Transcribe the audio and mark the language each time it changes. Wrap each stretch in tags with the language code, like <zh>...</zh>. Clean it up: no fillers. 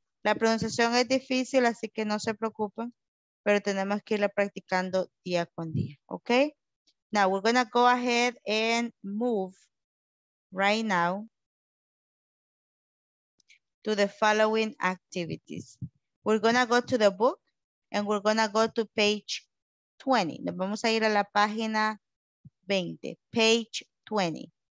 <es>La pronunciación es difícil, así que no se preocupen, pero tenemos que irla practicando día con día, okay?</es> <en>Now we're gonna go ahead and move right now to the following activities. We're gonna go to the book and we're gonna go to page 20.</en> <es>Nos vamos a ir a la página 20,</es> <en>page 20.</en>